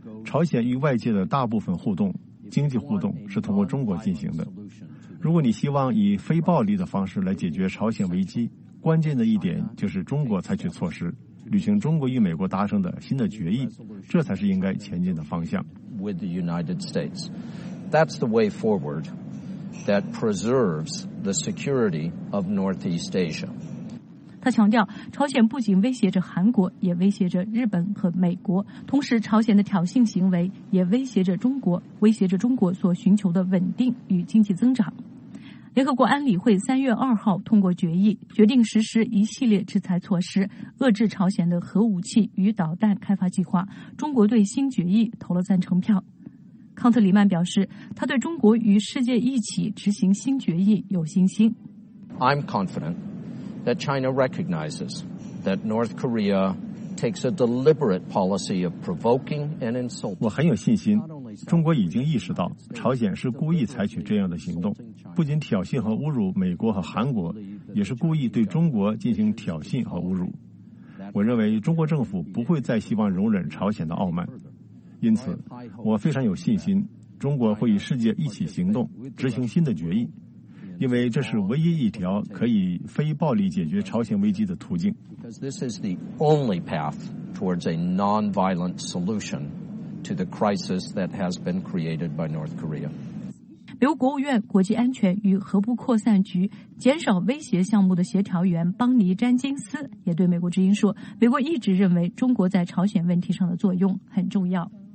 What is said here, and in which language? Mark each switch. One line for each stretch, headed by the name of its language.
Chinese: 朝鲜与外界的大部分互动，经济互动是通过中国进行的。如果你希望以非暴力的方式来解决朝鲜危机，关键的一点就是中国采取措施，履行中国与美国达成的新的决议，这才是应该前进的方向。
English: With the United States, that's the way forward that preserves the security of Northeast Asia.
Chinese: 他强调，朝鲜不仅威胁着韩国，也威胁着日本和美国，同时朝鲜的挑衅行为也威胁着中国，威胁着中国所寻求的稳定与经济增长。联合国安理会3月2号通过决议，决定实施一系列制裁措施，遏制朝鲜的核武器与导弹开发计划。中国对新决议投了赞成票。康特里曼表示，他对中国与世界一起执行新决议有信心。
English: I'm confident. That China recognizes that North Korea takes a deliberate policy of provoking and insulting.
Chinese: 我很有信心，中国已经意识到朝鲜是故意采取这样的行动，不仅挑衅和侮辱美国和韩国，也是故意对中国进行挑衅和侮辱。我认为中国政府不会再希望容忍朝鲜的傲慢，因此我非常有信心，中国会与世界一起行动，执行新的决议。因为这是唯一一条可以非暴力解决朝鲜危机的途径。
English: Because this is the only path towards a non-violent solution to the crisis that has been created by North Korea.
Chinese: 美国国务院国际安全与核不扩散局减少威胁项目的协调员邦尼·詹金斯也对美国之音说，美国一直认为中国在朝鲜问题上的作用很重要。